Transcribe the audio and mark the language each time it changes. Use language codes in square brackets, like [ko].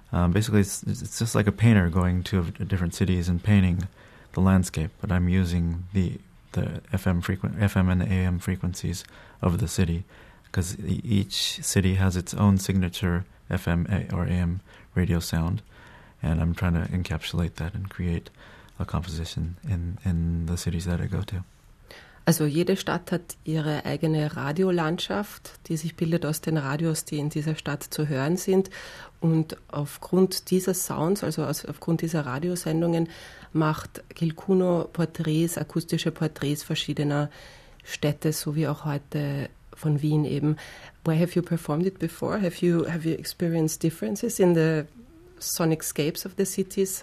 [en] Basically, it's just like a painter going to different cities and painting the landscape, but I'm using the FM and AM frequencies of the city because each city has its own signature FM or AM radio sound, and I'm trying to encapsulate that and create a composition in the cities that I go to. [de] Also jede Stadt hat ihre eigene Radiolandschaft, die sich bildet aus den Radios, die in dieser Stadt zu hören sind. Und aufgrund dieser Sounds, also aufgrund dieser Radiosendungen, macht Gil Kuno Porträts, akustische Porträts verschiedener Städte, so wie auch heute von Wien eben. [en] Where have you performed it before? Have you experienced differences in the sonic scapes of the cities,